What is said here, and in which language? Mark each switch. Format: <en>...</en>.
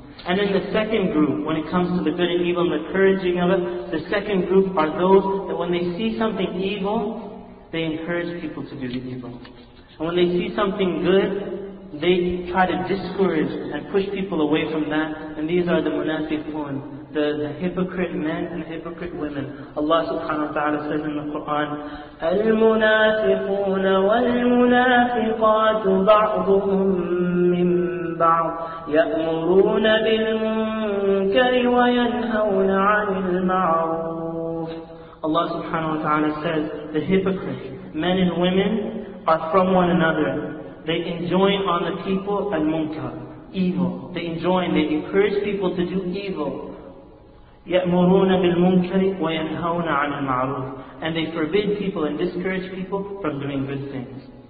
<en>And then the second group, when it comes to the good and evil and the encouraging of it, the second group are those that when they see something evil, they encourage people to do the evil. And when they see something good, they try to discourage and push people away from that. And these are the munafiqun, the hypocrite men and the hypocrite women. Allah subhanahu wa ta'ala says in the Quran,</en> <ar>المنافقون والمنافقات بعضهم من بعض يأمرون بالمنكر وينهون عن المعروف.</ar> <en>Allah subhanahu wa ta'ala says, the hypocrite men and women are from one another. They enjoin on the people al-munkar, evil. They enjoin, they encourage people to do evil.</en> <ar>يَأْمُرُونَ بِالْمُنْكَرِ وَيَنْهَوْنَ عَنِ الْمَعْرُوفِ,</ar> <en>and they forbid people and discourage people from doing good things.</en>